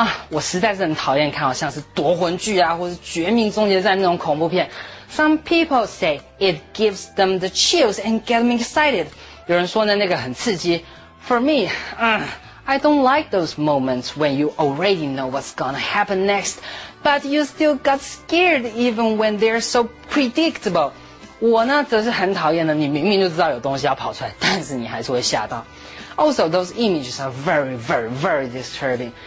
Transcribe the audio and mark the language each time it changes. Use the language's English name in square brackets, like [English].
[Chinese] 我实在是很讨厌看好像是夺魂剧啊或是绝命终结战那种恐怖片。 [English] Some people say it gives them the chills and get them excited. [Chinese] 有人说呢那个很刺激。 [English] For me, I don't like those moments when you already know what's gonna happen next. But you still got scared even when they're so predictable. [Chinese] 我呢则是很讨厌的，你明明就知道有东西要跑出来，但是你还是会吓到。 [English] Also, those images are very, very, very disturbing.